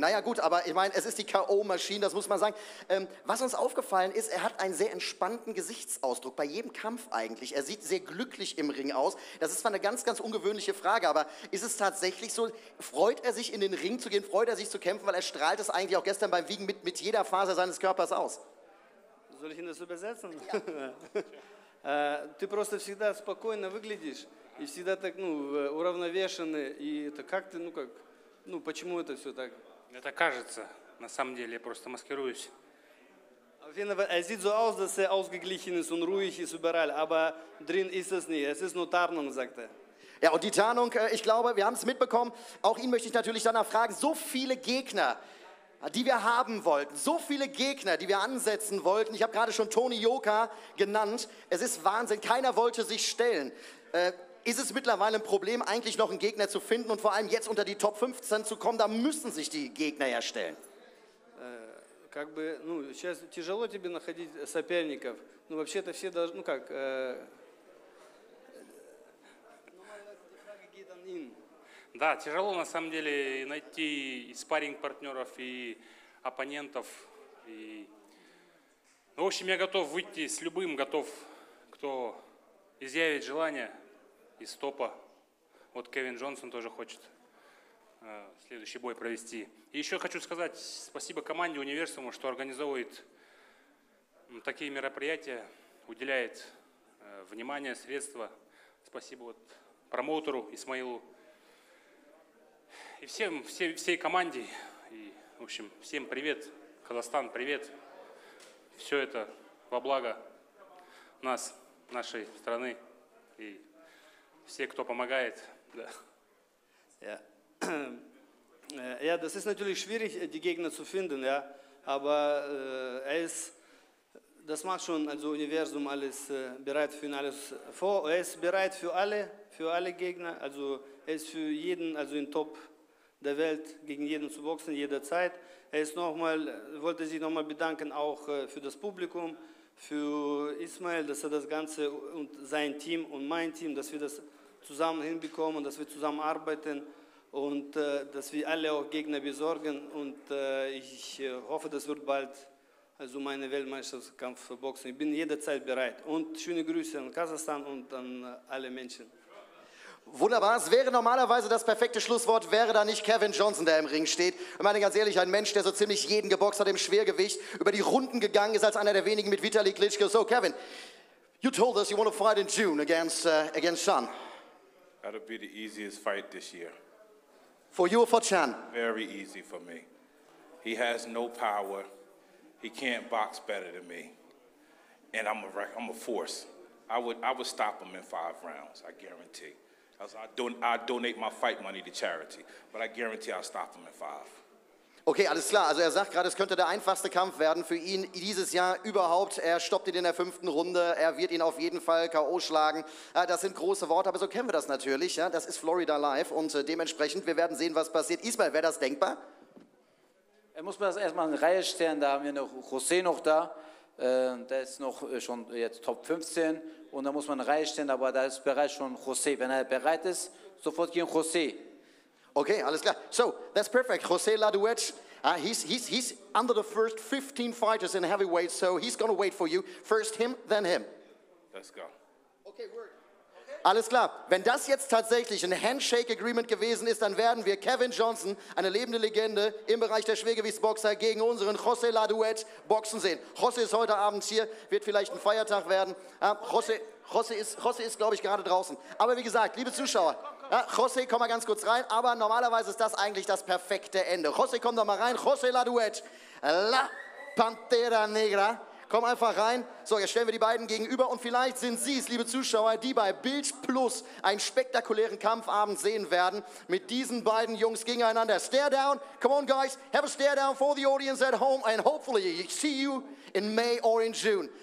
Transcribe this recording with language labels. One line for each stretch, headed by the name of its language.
German: Naja gut, aber ich meine, es ist die K.O.-Maschine, das muss man sagen. Was uns aufgefallen ist, er hat einen sehr entspannten Gesichtsausdruck, bei jedem Kampf eigentlich. Er sieht sehr glücklich im Ring aus. Das ist zwar eine ganz, ganz ungewöhnliche Frage, aber ist es tatsächlich so, freut er sich in den Ring zu gehen, freut er sich zu kämpfen, weil er strahlt es eigentlich auch gestern beim Wiegen mit jeder Faser seines Körpers aus? Soll ich Ihnen das übersetzen? Ja.
Russian: Ты просто всегда спокойно выглядишь. И всегда так, ну, уравновешенный. И это как ты, ну, как, ну, почему это все так? Это кажется, на самом деле, я просто маскируюсь.
German: Er sieht so aus, dass er ausgeglichen ist und ruhig ist überall, aber drin ist es nicht. Es ist nur Tarnung, sagt er. Ja, und die Tarnung, ich glaube, wir haben es mitbekommen. Auch ihn möchte ich natürlich danach fragen. So viele Gegner, die wir haben wollten, so viele Gegner, die wir ansetzen wollten. Ich habe gerade schon Tony Yoka genannt. Es ist Wahnsinn, keiner wollte sich stellen. Ist es mittlerweile ein Problem, eigentlich noch einen Gegner zu finden und vor allem jetzt unter die Top 15 zu kommen? Da müssen sich die Gegner ja stellen.
Russian: Как бы, ну, сейчас тяжело тебе находить соперников. Ну, вообще-то все должны, ну, как, Да, тяжело, на самом деле, найти и спарринг-партнеров, и оппонентов. И... Ну, в общем, я готов выйти с любым, готов, кто изъявит желание. Из топа. Вот Кевин Джонсон тоже хочет следующий бой провести. И еще хочу сказать спасибо команде Универсуму, что организовывает такие мероприятия, уделяет внимание, средства. Спасибо вот промоутеру Исмаилу и всем, всей команде. И, в общем, всем привет, Казахстан, привет. Все это во благо нас, нашей страны и все, кто помогает. Да.
German: Ja. Ja, das ist natürlich schwierig, die Gegner zu finden, ja. Aber er ist, das macht schon, also Universum alles bereit für alles vor. Er ist bereit für alle Gegner. Also er ist für jeden, also in Top der Welt, gegen jeden zu boxen, jederzeit. Er ist nochmal, wollte sich nochmal bedanken, auch für das Publikum, für Ismail, dass er das Ganze und sein Team und mein Team, dass wir das zusammen hinbekommen, dass wir zusammen arbeiten und dass wir alle auch Gegner besorgen. Und ich hoffe, das wird bald also meine Weltmeisterschaftskampf boxen. Ich bin jederzeit bereit. Und schöne Grüße an Kasachstan und an alle Menschen. Wunderbar, es wäre normalerweise das perfekte Schlusswort, wäre da nicht Kevin Johnson, der im Ring steht. Ich meine ganz ehrlich, ein Mensch, der so ziemlich jeden geboxt hat im Schwergewicht, über die Runden gegangen ist als einer der wenigen mit Vitali Klitschko.
English: So Kevin, you told us you want to fight in June against against Chan. That'll be the easiest fight this year. For you or for Chan? Very easy for me. He has no power. He can't box better than me. And I'm a force. I would stop him in 5 rounds, I guarantee. I donate my fight money to charity, but I guarantee I'll stop him in 5.
German: Okay, alles klar. Also er sagt gerade, es könnte der einfachste Kampf werden für ihn dieses Jahr überhaupt. Er stoppt ihn in der 5. Runde. Er wird ihn auf jeden Fall K.O. schlagen. Das sind große Worte, aber so kennen wir das natürlich. Ja? Das ist Florida Live und dementsprechend, wir werden sehen, was passiert. Ismail, wäre das denkbar? Er muss mir das erstmal in Reihe stellen. Da haben wir noch José noch da. Der ist noch schon jetzt Top 15 und da muss man in Reihe stellen, aber da ist bereits schon José. Wenn er bereit ist, sofort gehen José. Okay, alles klar.
English: So, that's perfect. José Laduet, he's under the first 15 fighters in heavyweight, so he's going to wait for you. First him, then him. Let's go. Okay, work.
German: Okay. Alles klar. Wenn das jetzt tatsächlich ein Handshake-Agreement gewesen ist, dann werden wir Kevin Johnson, eine lebende Legende im Bereich der Schwergewichtsboxer, gegen unseren José Laduet boxen sehen. José ist heute Abend hier, wird vielleicht ein Feiertag werden. José ist glaube ich, gerade draußen. Aber wie gesagt, liebe Zuschauer, ja, José, komm mal ganz kurz rein, aber normalerweise ist das eigentlich das perfekte Ende. José, komm doch mal rein. José Laduet, La Pantera Negra, komm einfach rein. So, jetzt stellen wir die beiden gegenüber und vielleicht sind Sie es, liebe Zuschauer, die bei Bild Plus einen spektakulären Kampfabend sehen werden mit diesen beiden Jungs gegeneinander.
English: Stare down, come on guys, have a stare down for the audience at home and hopefully see you in May or in June.